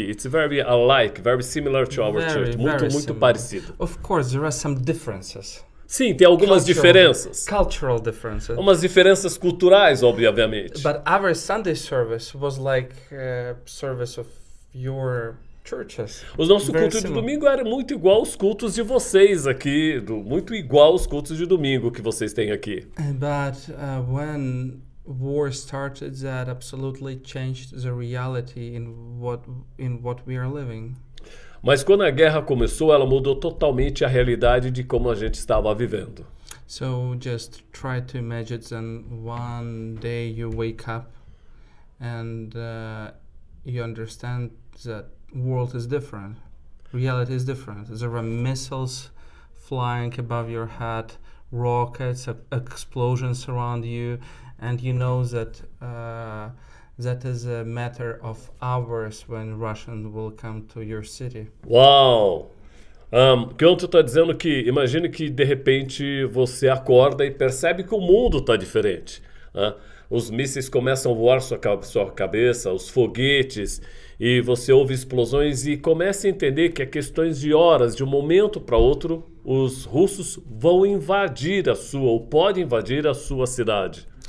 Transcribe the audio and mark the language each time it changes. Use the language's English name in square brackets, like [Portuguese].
[English] It's very alike, very similar to our church. Very similar. [Portuguese] Muito parecido. [English] Of course, there are some differences. [Portuguese] Sim, tem algumas [English] cultural, [Portuguese] diferenças. [English] Cultural differences. [Portuguese] Umas diferenças culturais, obviamente. [English] But our Sunday service was like service of your churches. [Portuguese] O nosso very culto similar. De domingo era muito igual aos cultos de vocês aqui, muito igual aos cultos de domingo que vocês têm aqui. [English] But when war started, that absolutely changed the reality in what we are living. [Portuguese] Mas quando a guerra começou, ela mudou totalmente a realidade de como a gente estava vivendo. [English] So just try to imagine that one day you wake up and you understand that world is different. reality is different. There are missiles flying above your head, rockets, explosions around you, and you know that that is a matter of hours when Russians will come to your city. Wow! [Portuguese] Kanto está dizendo que imagine que de repente você acorda e percebe que o mundo está diferente. Os mísseis começam a voar sua cabeça, os foguetes, e você ouve explosões e começa a entender que é questões de horas, de um momento para outro, os russos vão invadir a sua ou podem invadir a sua cidade.